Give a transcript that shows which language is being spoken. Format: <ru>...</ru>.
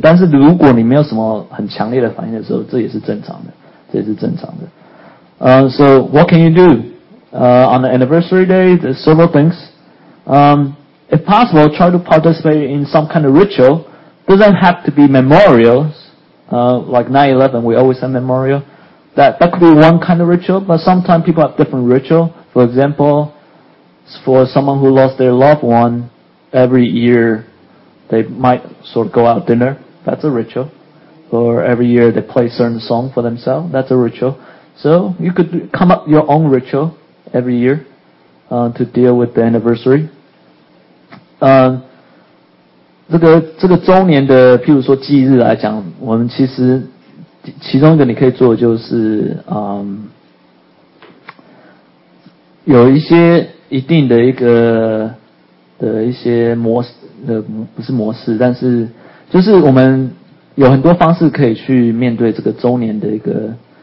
<zh>但是如果你没有什么很强烈的反应的时候，这也是正常的，这也是正常的。</zh> <en>So what can you do on the anniversary day? There's several things. If possible, try to participate in some kind of ritual. Doesn't have to be memorials. Like 9/11, we always have memorial. That could be one kind of ritual, but sometimes people have different ritual. For example, for someone who lost their loved one, every year they might sort of go out dinner. That's a ritual. Or every year they play a certain song for themselves. That's a ritual. So you could come up your own ritual every year to deal with the anniversary.</en> <zh>这个周年的譬如说忌日来讲，我们其实其中一个你可以做的就是有一些一定的一个的一些模式的，不是模式，但是就是我们有很多方式可以去面对这个周年的一个</zh>